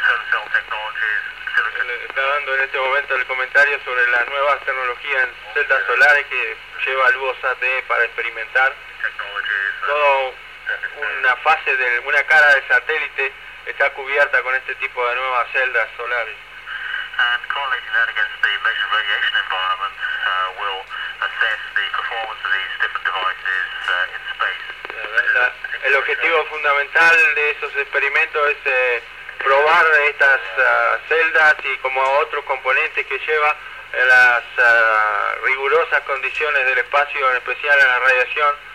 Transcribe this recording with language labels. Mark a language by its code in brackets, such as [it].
[es] Está dando en este momento el comentario sobre las nuevas tecnologías en celdas solares que lleva el UOSAT para experimentar. Toda una fase de una cara de satélite está cubierta con este tipo de nuevas celdas solares. [en] And correlating that against the measured radiation environment will assess the performance of these different devices in space. [es] El objetivo fundamental de esos experimentos es probar estas celdas y como otros componentes que lleva en las rigurosas condiciones del espacio, en especial en la radiación.